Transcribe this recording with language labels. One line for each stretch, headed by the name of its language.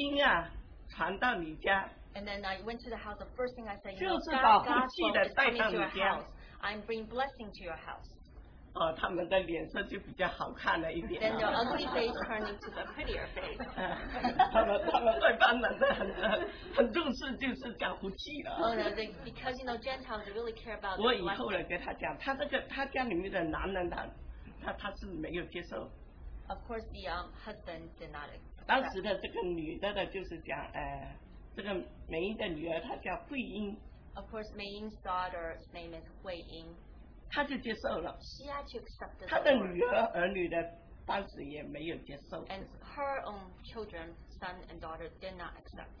Chinese: 我一到他家里面我就讲了一句我讲神的福音啊传到你家
English: And then I went to the house the first thing I said you know, God's gospel is coming to your house I'm bringing blessing to your house
Chinese: 他们的脸色就比较好看了一点。
English: Then their ugly face turned into the prettier face.
Chinese: 他们外邦人的很重视就是讲福气了。
English: Oh no, they, because you know Gentiles really care about.
Chinese: 我以后来跟他讲，他这个他家里面的男人他是没有接受。
English: Of course, the husband did not.
Chinese: 当时的这个女的呢，就是讲这个梅英的女儿，她叫慧英。
English: Of course, Mei Ying's daughter's name is Hui Ying.
Chinese: 他就接受了，他的女儿儿女的当时也没有接受。
English: And her own children, son and daughter, did not accept.